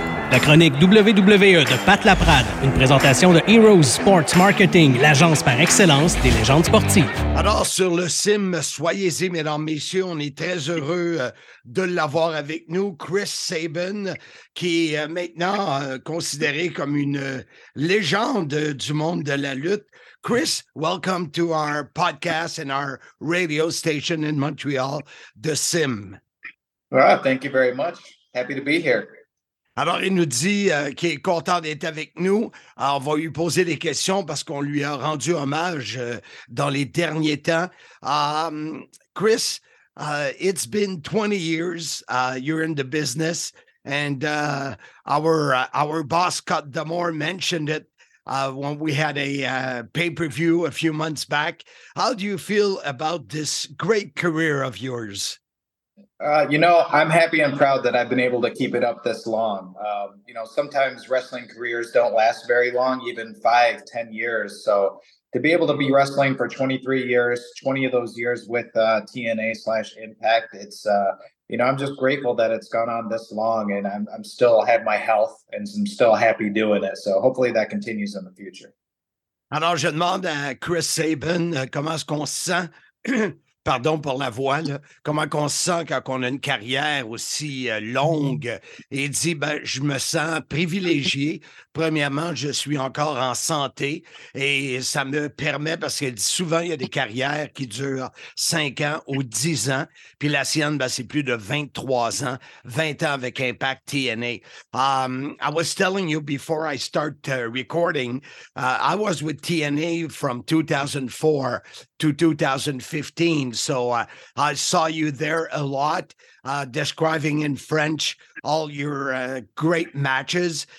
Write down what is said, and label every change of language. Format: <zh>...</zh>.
<fr>La chronique WWE de Pat Laprade, une présentation de Heroes Sports Marketing, l'agence par excellence des légendes sportives. Alors, sur le sim, soyez-y, mesdames, messieurs, on est très heureux de l'avoir avec nous, Chris Sabin, qui est maintenant considéré comme une légende du monde de la lutte.</fr> <en>Chris, welcome to our podcast and our radio station in Montreal, The Sim. Well, thank you very much. Happy to be here.</en> <fr>Alors, il nous dit qu'il est content d'être avec nous. Alors, on va lui poser des questions parce qu'on lui a rendu hommage dans les derniers temps.</fr> <en>Chris, it's been 20 years you're in the business, and our boss, Scott D'Amore, mentioned it when we had a pay-per-view a few months back. How do you feel about this great career of yours? I'm happy and proud that I've been able to keep it up this long. Sometimes wrestling careers don't last very long, even 5-10 years. So to be able to be wrestling for 23 years, 20 of those years with TNA slash Impact, it's, you know, I'm just grateful that it's gone on this long and I'm still have my health and I'm still happy doing it. So hopefully that continues in the future.</en> <fr>Alors, je demande à Chris Sabin comment est-ce qu'on se sent, pardon pour la voix, là, comment qu'on se sent quand on a une carrière aussi longue. Et il dit, ben, je me sens privilégié. Premièrement, je suis encore en santé et ça me permet, parce qu'il dit souvent, il y a des carrières qui durent 5 ans ou 10 ans. Puis la sienne, ben, c'est plus de 23 ans, 20 ans avec Impact TNA.</fr> <en>I was telling you before I start recording, I was with TNA from 2004 to 2015. So I saw you there a lot. Describing in French all your great matches.</en>